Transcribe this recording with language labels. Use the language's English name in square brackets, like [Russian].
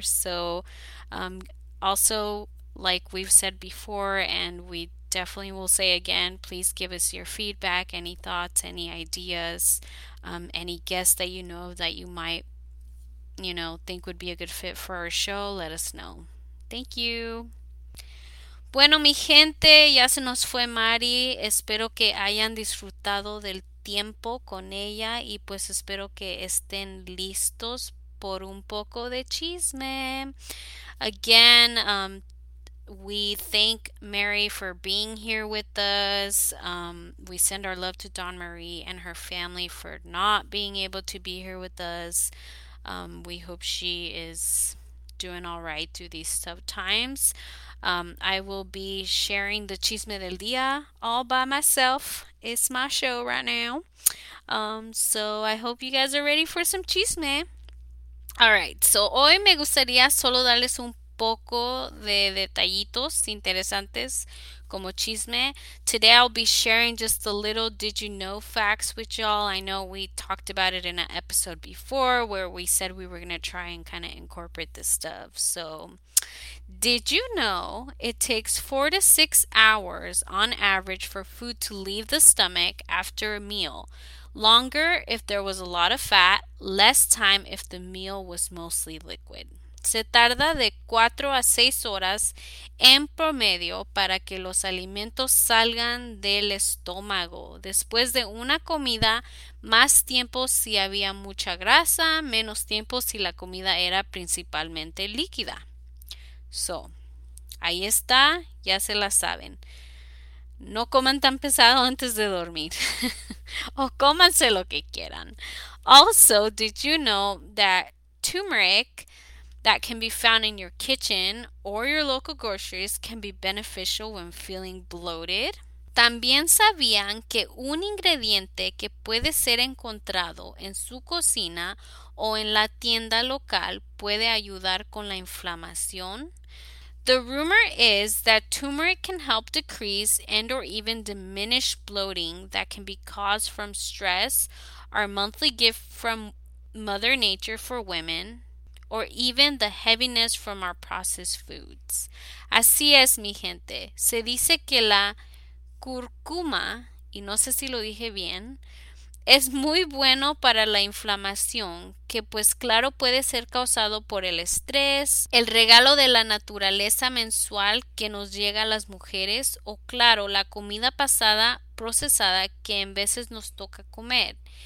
[English] So, also, like we've said before, and we definitely will say again, please give us your feedback, any thoughts, any ideas, any guests that you know that you might, think would be a good fit for our show. Let us know. Thank you. [Spanish] Bueno, mi gente, ya se nos fue Mari. Espero que hayan disfrutado del tiempo con ella y pues espero que estén listos por un poco de chisme. [English] Again, we thank Mary for being here with us. We send our love to Dawn Marie and her family for not being able to be here with us. We hope she is doing all right through these tough times. I will be sharing the Chisme del Día all by myself. It's my show right now. So I hope you guys are ready for some chisme. All right, so [Spanish] hoy me gustaría solo darles un poco de detallitos interesantes como chisme. [English] Today I'll be sharing just the little did you know facts with y'all. I know we talked about it in an episode before where we said we were going to try and kind of incorporate this stuff. So, did you know it takes 4 to 6 hours on average for food to leave the stomach after a meal? Longer if there was a lot of fat, less time if the meal was mostly liquid. [Spanish] Se tarda de 4 a 6 horas en promedio para que los alimentos salgan del estómago. Después de una comida, más tiempo si había mucha grasa, menos tiempo si la comida era principalmente líquida. So, ahí está, ya se la saben. No coman tan pesado antes de dormir. O cómanse lo que quieran. [English] Also, did you know that turmeric that can be found in your kitchen or your local groceries can be beneficial when feeling bloated? [Spanish] También sabían que un ingrediente que puede ser encontrado en su cocina o en la tienda local puede ayudar con la inflamación. [English] The rumor is that turmeric can help decrease and or even diminish bloating that can be caused from stress, our monthly gift from Mother Nature for women, or even the heaviness from our processed foods. [Spanish] Así es, mi gente. Se dice que la cúrcuma, y no sé si lo dije bien, es muy bueno para la inflamación, que pues claro puede ser causado por el estrés, el regalo de la naturaleza mensual que nos llega a las mujeres, o claro, la comida pasada procesada que en veces nos toca comer.